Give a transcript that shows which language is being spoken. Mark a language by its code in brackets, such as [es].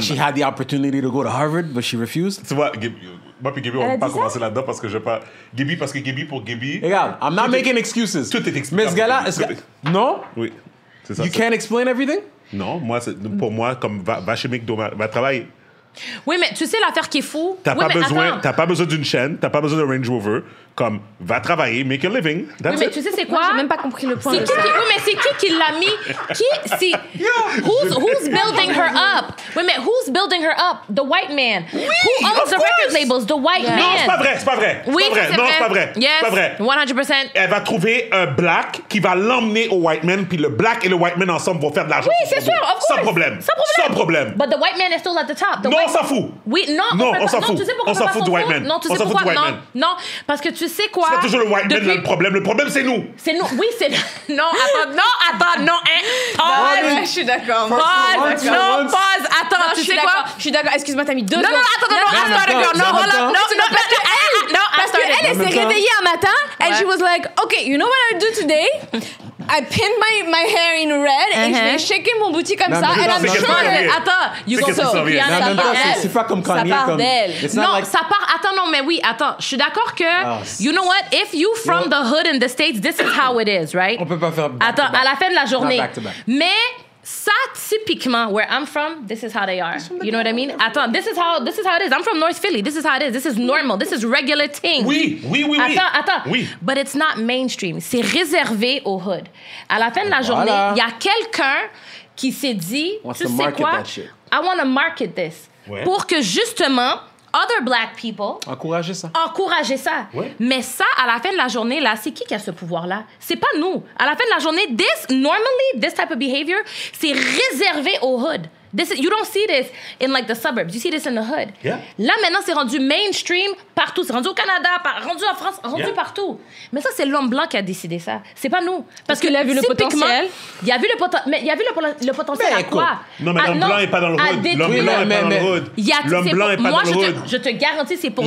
[en] She had the opportunity to go to Harvard, but she refused. [fr] Tu vois, moi puis Gabby, on ne va pas commencer là-dedans parce que je ne pas. Gabby, parce que Gabby, pour Gabby. [en] Regarde, I'm not making excuses. [fr] Tout est expliqué. Mais ce gars-là, est-ce que. Non? Oui. C'est ça. [en] You can't explain everything? [fr] Non, moi, c'est, pour moi, comme va chez McDo, va travailler. Oui, mais tu sais l'affaire qui est fou. T'as pas besoin d'une chaîne, t'as pas besoin d'un Range Rover. Comme, va travailler, [en] make a living. That's [fr] oui, mais tu sais c'est quoi? Moi, j'ai même pas compris le point. C'est de qui, ça. Qui, oui, mais c'est qui l'a mis? Qui? C'est. [en] Yeah. Who's building her up? [fr] Oui, mais [en] who's building her up? The white man. [fr] Oui, [en] who owns the record labels? The white man. [fr] Non, c'est pas vrai, c'est pas vrai. Oui, c'est vrai. Non, c'est pas vrai. [en] Yes. [fr] C'est pas vrai. 100%. Elle va trouver un black qui va l'emmener au white man, puis le black et le white man ensemble vont faire de l'argent. Oui, c'est sûr, [en] of course. [fr] Sans problème. Sans problème. Sans problème. [en] But the white man is still at the top. [fr] Non, on s'en fout. Oui, non, non, on s'en fout. On s'en fout du white man. Non, tu sais pourquoi? Non, parce que tu sais quoi? C'est toujours le white man, le problème. Le problème, c'est nous. C'est nous. Oui, c'est. Non, attends. Non, attends. Non, hein. Pause. Je suis d'accord. Pause. Non, pause. Attends, tu sais quoi? Je suis d'accord. Excuse-moi, t'as mis deux secondes. Non, non, attends. Non, attends. Non, non, non. Non, non, parce que elle. Non, parce que elle s'est réveillée un matin. [en] And she was like, OK, you know what I'll do today? I pinned my hair in red [fr] et je vais shaker mon booty comme ça et je change. Attends, [en] you go so. [fr] C'est pas comme Kanye. Ça part d'elle. Non, ça part. Attends, non, mais oui, attends. Je suis d'accord que, [en] you know what, if you from the hood in the States, this is how it is, right? [fr] On peut pas faire. Attends, à la fin de la journée. Mais ça, typiquement, [en] where I'm from, this is how they are. You know what I mean? Attends, this is how it is. I'm from North Philly. This is how it is. This is normal. This is regular thing. [fr] Oui, oui, oui, oui. Attends, attends. Oui. [en] But it's not mainstream. [fr] C'est réservé au hood. À la fin de la journée, il y a quelqu'un qui s'est dit, tu sais quoi? [en] I want to market this. [fr] Ouais. Pour que justement, [en] other black people... [fr] Encourager ça. Encourager ça. Ouais. Mais ça, à la fin de la journée, là, c'est qui a ce pouvoir-là? C'est pas nous. À la fin de la journée, [en] this, normally, this type of behavior, [fr] c'est réservé au hood. [en] This, you don't see this in, like, the suburbs. You see this in the hood. Yeah. [fr] Là, maintenant, c'est rendu mainstream partout. C'est rendu au Canada, rendu en France, rendu partout. Mais ça, c'est l'homme blanc qui a décidé ça. C'est pas nous. Parce qu'il a vu le potentiel. Il a vu le potentiel. Mais il a vu le potentiel à quoi? Non, mais l'homme blanc est pas dans le hood. L'homme blanc est pas dans le hood. L'homme blanc est pas dans le hood. Moi, je te garantis, c'est pour